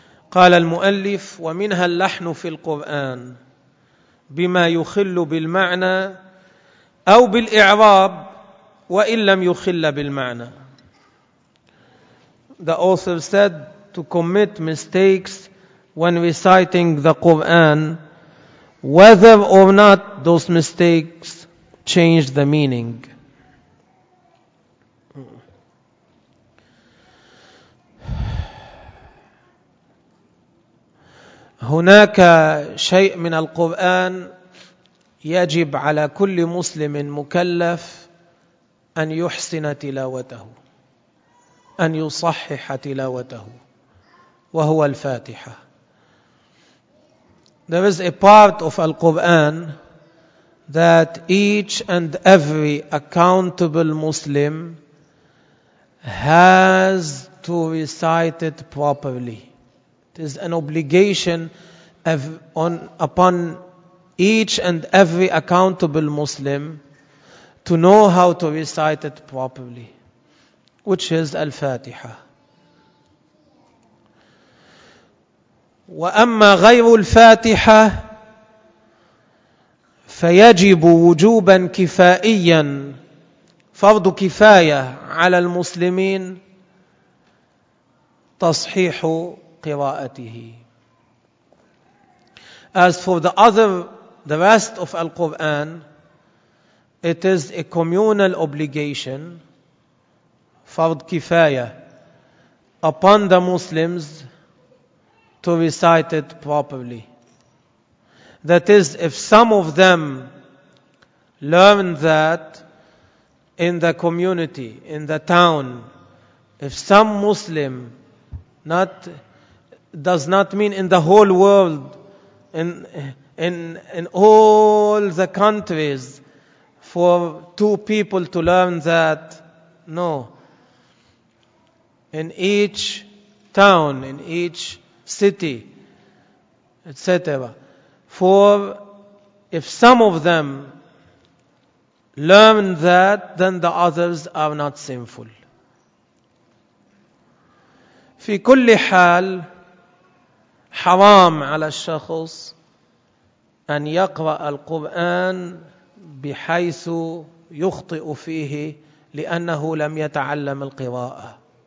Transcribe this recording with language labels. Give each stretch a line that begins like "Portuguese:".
Arabic: قال المؤلف ومنها اللحن في القرآن بما يخل بالمعنى أو بالإعراب وإن لم يخل بالمعنى.
English: The author said to commit mistakes when reciting the Quran, whether or not those mistakes change the meaning.
Arabic: هناك شيء من القرآن يجب على كل مسلم مكلف أن يحسن تلاوته. أن يصحح تلاوته وهو الفاتحة.
English: There is a part of Al-Quran that each and every accountable Muslim has to recite it properly. It is an obligation upon each and every accountable Muslim to know how to recite it properly. Which is الفاتحة.
Arabic: وأما غير الفاتحة فيجب وجوبا كفائيا فرض كفاية على المسلمين تصحيح قراءته.
English: As for the rest of Al-Quran, it is a communal obligation, فرض كفاية, upon the Muslims to recite it properly. That is, if some of them learn that in the community, in the town, if some Muslim, does not mean in the whole world, in all the countries, for two people to learn that, no. In each town, in each city, etc. For if some of them learn that, then the others are not sinful.
Arabic: في كل حال حرام على الشخص أن يقرأ القرآن بحيث يخطئ فيه لأنه لم يتعلم القراءة.